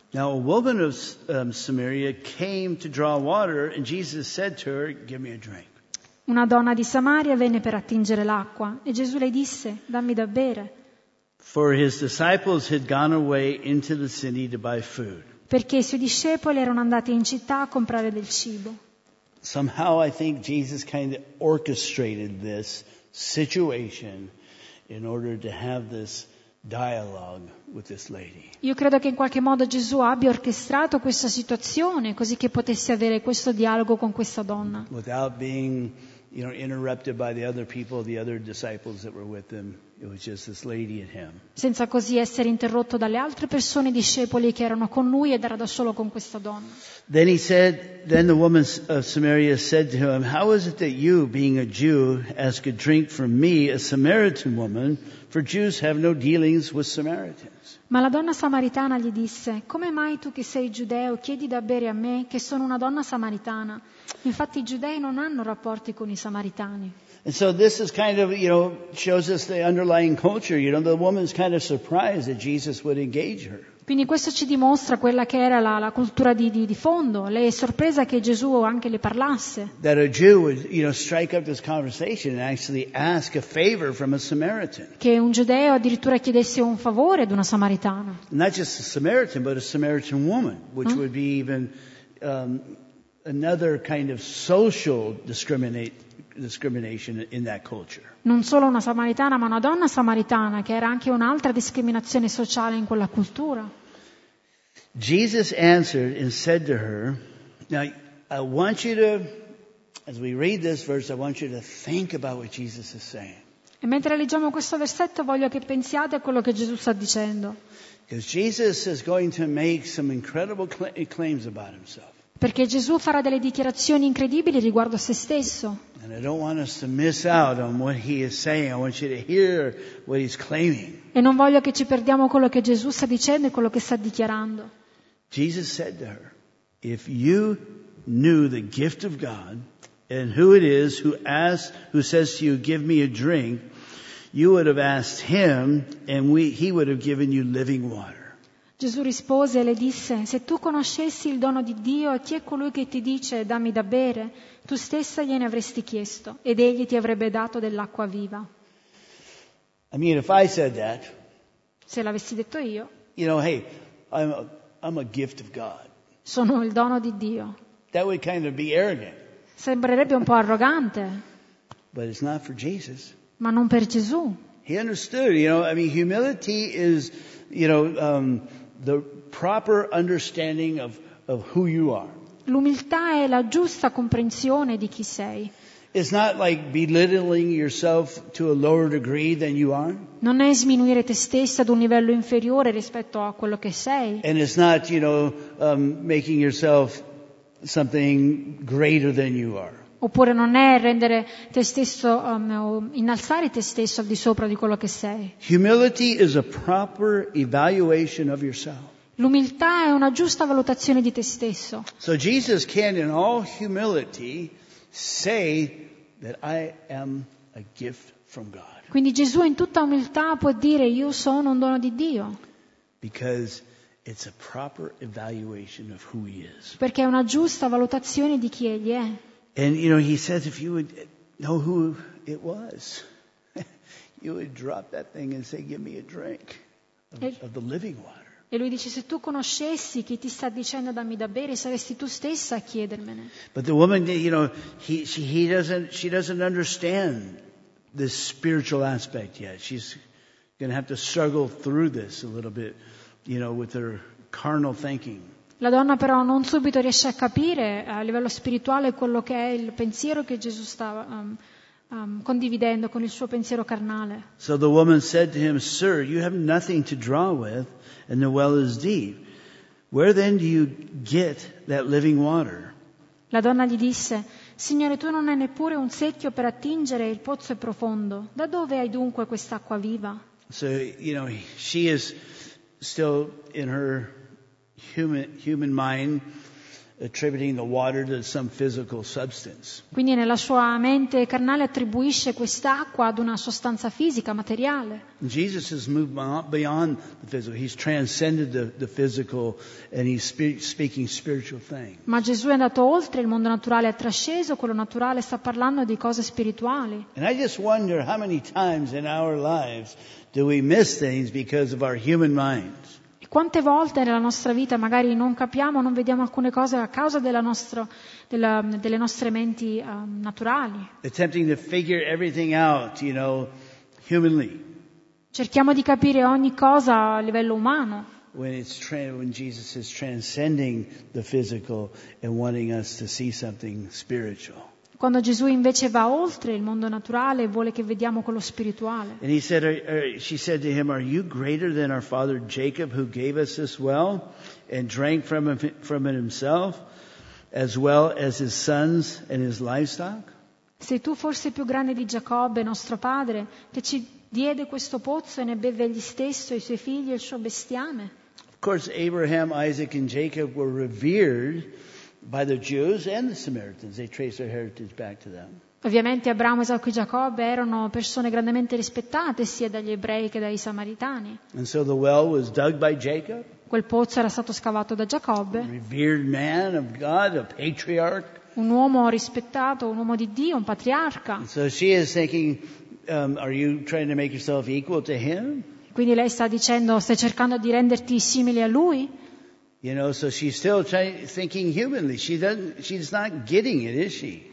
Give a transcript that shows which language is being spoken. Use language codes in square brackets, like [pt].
[en] Now a woman of Samaria came to draw water, and Jesus said to her, give me a drink. [it] Una donna di Samaria venne per attingere l'acqua e Gesù le disse, dammi da bere. [en] For his disciples had gone away into the city to buy food. [it] Perché i suoi discepoli erano andati in città a comprare del cibo. [en] Somehow I think Jesus kind of orchestrated this situation in order to have this dialogue with this lady. [it] Io credo che in qualche modo Gesù abbia orchestrato questa situazione così che potesse avere questo dialogo con questa donna. [en] Without being, you know, interrupted by the other people, the other disciples that were with him. It was just this lady and him. [it] Senza così essere interrotto dalle altre persone, discepoli che erano con lui, ed era da solo con questa donna. [en] Then he said, then the woman of Samaria said to him, how is it that you, being a Jew, ask a drink from me, a Samaritan woman? For Jews have no dealings with Samaritans. [it] Ma la donna samaritana gli disse, come mai tu che sei giudeo chiedi da bere a me, che sono una donna samaritana? Infatti i giudei non hanno rapporti con i samaritani. [en] And so this is kind of, you know, shows us the underlying culture. You know, the woman's kind of surprised that Jesus would engage her. [it] Quindi questo ci dimostra quella che era la cultura di fondo. Lei è sorpresa che Gesù anche le parlasse. [en] That a Jew would, you know, strike up this conversation and actually ask a favor from a Samaritan. [it] Che un giudeo addirittura chiedesse un favore ad una samaritana. [en] Not just a Samaritan, but a Samaritan woman, which would be even another kind of social discrimination in that culture. [it] Non solo una samaritana, ma una donna samaritana, che era anche un'altra discriminazione sociale in quella cultura. [en] Jesus answered and said to her, now I want you to, as we read this verse, I want you to think about what Jesus is saying. [it] E mentre leggiamo questo versetto voglio che pensiate a quello che Gesù sta dicendo. [en] Because Jesus is going to make some incredible claims about himself. [it] Perché Gesù farà delle dichiarazioni incredibili riguardo a se stesso. [en] And I don't want us to miss out on what he is saying. I want you to hear what he's claiming. [it] E non voglio che ci perdiamo quello che Gesù sta dicendo e quello che sta dichiarando. [en] Jesus said to her, if you knew the gift of God and who it is who asks, who says to you, give me a drink, you would have asked him and he would have given you living water. [it] Gesù rispose e le disse, se tu conoscessi il dono di Dio e chi è colui che ti dice dammi da bere, tu stessa gliene avresti chiesto ed egli ti avrebbe dato dell'acqua viva. [en] I mean, if I said that, [it] se l'avessi detto io, [en] you know, hey, I'm a gift of God. [it] Sono il dono di Dio. [en] That would kind of be arrogant. [it] Sembrerebbe un po' arrogante. [en] But it's not for Jesus. [it] Ma non per Gesù. [en] He understood, you know, I mean, humility is, you know, the proper understanding of who you are. [it] L'umiltà è la giusta comprensione di chi sei. [en] It's not like belittling yourself to a lower degree than you are. [it] Non è sminuire te stessa ad un livello inferiore rispetto a quello che sei. [en] And it's not, you know, making yourself something greater than you are. [it] Oppure non è rendere te stesso o innalzare te stesso al di sopra di quello che sei. [en] Humility is a proper evaluation of yourself. [it] L'umiltà è una giusta valutazione di te stesso. [en] So Jesus can in all humility say that I am a gift from God. [it] Quindi Gesù in tutta umiltà può dire io sono un dono di Dio. [en] Because it's a proper evaluation of who he is. [it] Perché è una giusta valutazione di chi egli è. [en] And you know, he says, if you would know who it was, you would drop that thing and say, "Give me a drink of the living water." [it] E lui dice, se tu conoscessi chi ti sta dicendo dammi da bere, saresti tu stessa a chiedermene. [en] But the woman, you know, she doesn't understand this spiritual aspect yet. She's going to have to struggle through this a little bit, you know, with her carnal thinking. [it] La donna però non subito riesce a capire a livello spirituale quello che è il pensiero che Gesù sta condividendo con il suo pensiero carnale. [en] So the woman said to him, "Sir, you have nothing to draw with, and the well is deep. Where then do you get that living water?" [it] La donna gli disse, "Signore, tu non hai neppure un secchio per attingere, il pozzo è profondo. Da dove hai dunque quest'acqua viva?" [en] So, you know, she is still in her human mind attributing the water to some physical substance. [it] Quindi nella sua mente carnale attribuisce quest'acqua ad una sostanza fisica, materiale. [en] Jesus has moved beyond the physical. He's transcended the physical and he's speaking spiritual things. [it] Ma Gesù è andato oltre il mondo naturale, è trasceso quello naturale, sta parlando di cose spirituali. [en] And I just wonder how many times in our lives do we miss things because of our human minds. [it] Quante volte nella nostra vita magari non capiamo, non vediamo alcune cose a causa delle nostre menti naturali. [en] Attempting to figure everything out, you know, humanly. [it] Cerchiamo di capire ogni cosa a livello umano. [en] When Jesus is transcending the physical and wanting us to see something spiritual. [it] Quando Gesù invece va oltre il mondo naturale e vuole che vediamo quello spirituale. [en] And he said, she said to him, "Are you greater than our father Jacob, who gave us this well and drank from it himself, as well as his sons and his livestock?" [it] Sei tu forse più grande di Giacobbe, nostro padre, che ci diede questo pozzo e ne beve egli stesso, i suoi figli e il suo bestiame? [en] Of course, Abraham, Isaac, and Jacob were revered by the Jews and the Samaritans. They trace their heritage back to them. [it] Ovviamente Abramo, Isacco e Giacobbe erano persone grandemente rispettate sia dagli ebrei che dai samaritani. [en] And so the well was dug by Jacob. [it] quel pozzo era stato scavato da Giacobbe. [en] A revered man of God, a patriarch. [it] Un uomo rispettato, un uomo di Dio, un patriarca. [en] So she is thinking, are you trying to make yourself equal to him? [it] Quindi lei sta dicendo, stai cercando di renderti simile a lui? [en] You know, so she's still thinking humanly. She's not getting it, is she?